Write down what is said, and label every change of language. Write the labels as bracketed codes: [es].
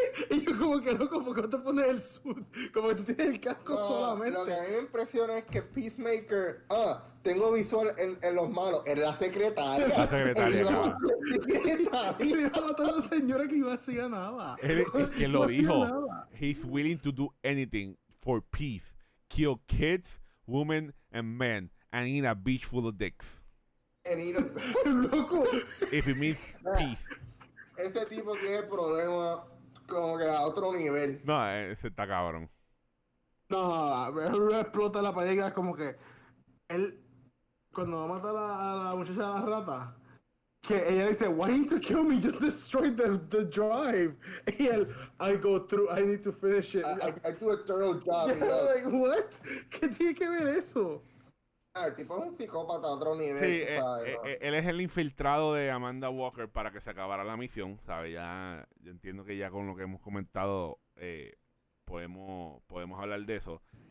[es] Y yo como que, loco, ¿por qué te pones el suit? Como que tú tienes el casco solamente. Lo que a mí me impresiona es que Peacemaker, tengo visual en los malos, en la secretaria. La secretaria, claro. Y le iba a toda la señora que iba a hacer nada. Él es quien lo dijo. [en] He's willing to do anything for peace. Kill kids, women, and men. And eat a beach full of dicks. And eat a... [es] ¡Loco! [en] If it means peace. [es] Ese tipo tiene el problema como que a otro nivel. No, ese está cabrón. No, explota la pareja, es como que él cuando va a matar a la muchacha de la rata, que ella dice, [en] why do you need to kill me? Just destroy the drive. [es] Y él, [en] I go through, I need to finish it. I do a thorough job. Yeah, yeah. Like, what? [es] ¿Qué tiene que ver eso? El tipo es un psicópata a otro nivel. Sí, ¿sabes? Él es el infiltrado de Amanda Walker para que se acabara la misión, ¿sabes? Ya, yo entiendo que ya con lo que hemos comentado podemos hablar de eso.